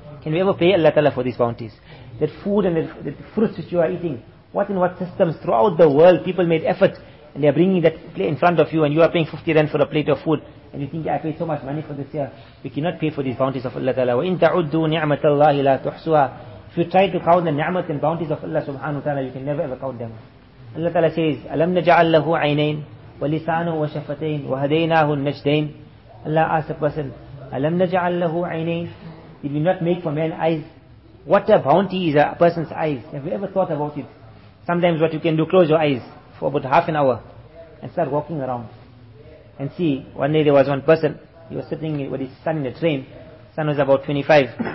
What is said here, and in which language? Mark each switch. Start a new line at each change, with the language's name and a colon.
English: Can we ever pay Allah Ta'ala for these bounties? That food and the fruits which you are eating, what in what systems throughout the world people made effort and they are bringing that plate in front of you and you are paying 50 rand for a plate of food and you think, yeah, I paid so much money for this here. We cannot pay for these bounties of Allah Ta'ala.
Arabic: وَإِن تَعُدُّوا نِعْمَةَ اللَّهِ لَا تُحْسُوهَا.
English: If you try to count the ni'mat and bounties of Allah Subhanahu Wa Ta'ala, you can never ever count them. Allah Ta'ala says,
Arabic: أَلَمْ نَجَعَلْ لَهُ عَيْنَيْنِ وَلِسَانُهُ وَشَفَتَيْنِ وَهَدَيْنَاهُ النَّجْدَيْنِ.
English: Allah asks the person,
Arabic: أَلَمْ نَجَعَلْ لَهُ عَيْنَيْنِ.
English: Did we not make for man eyes? What a bounty is a person's eyes. Have you ever thought about it? Sometimes what you can do, close your eyes for about half an hour and start walking around. And see, one day there was one person, he was sitting with his son in the train. Son was about 25.